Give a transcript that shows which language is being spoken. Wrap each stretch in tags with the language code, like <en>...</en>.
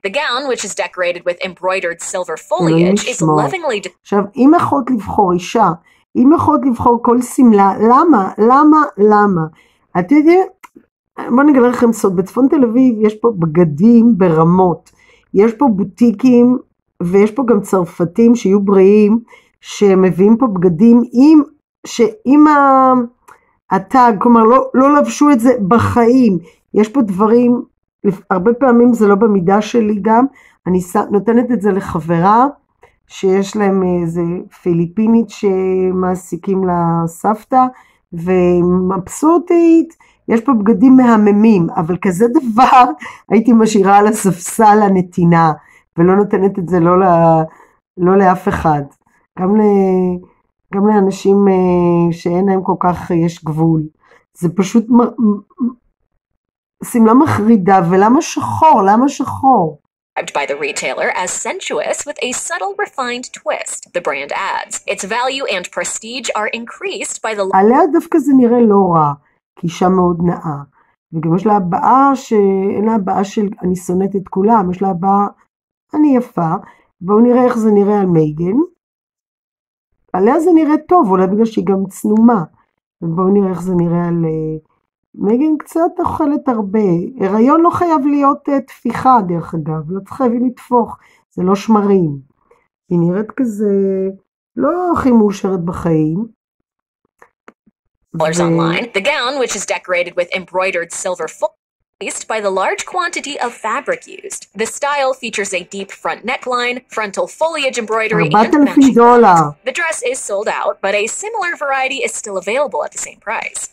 <en>The gown, which is decorated with embroidered silver foliage, is lovingly...</en> <he>עכשיו, אם יכולת לבחור אישה, אם יכולת לבחור כל סמלה, למה, למה, למה? את יודעת, בואו נגלה לכם סוד, בצפון תל אביב יש פה בגדים ברמות, יש פה בוטיקים, ויש פה גם צרפתים שיהיו בריאים, שמביאים פה בגדים עם... שאם התג, כלומר לא לבשו את זה בחיים, יש פה דברים, הרבה פעמים זה לא במידה שלי גם, אני נותנת את זה לחברה, שיש להם איזה פיליפינית שמעסיקים לסבתא, ומבסוטית, יש פה בגדים מהממים, אבל כזה דבר הייתי משאירה על הספסל הנתינה, ולא נותנת את זה לא לאף אחד, גם ל... גם לאנשים שאין להם כל כך יש גבול. זה פשוט סמלה מחרידה, ולמה שחור? למה שחור?</he> <en>Described by the retailer as sensuous with a subtle refined twist, the brand adds. Its value and prestige are increased by the...</en> <he>עליה דווקא זה נראה לא רע, כי אישה מאוד נאה. וגם יש לה הבאה שאין לה הבאה של אני שונאת את כולם, יש לה הבאה אני יפה. בואו נראה איך זה נראה על מייגן. עליה זה נראה טוב, אולי בגלל שהיא גם צנומה. בואו נראה איך זה נראה על... מגן קצת אוכלת הרבה. הריון לא חייב להיות תפיחה דרך אגב, לא צריך להביא לתפוך, זה לא שמרים. היא נראית כזה לא הכי מאושרת בחיים.</he> <en>The gown, which is decorated with embroidered silver foliage, based by the large quantity of fabric used. The style features a deep front neckline, frontal foliage embroidery, and matching belt. The dress is sold out, but a similar variety is still available at the same price.</en>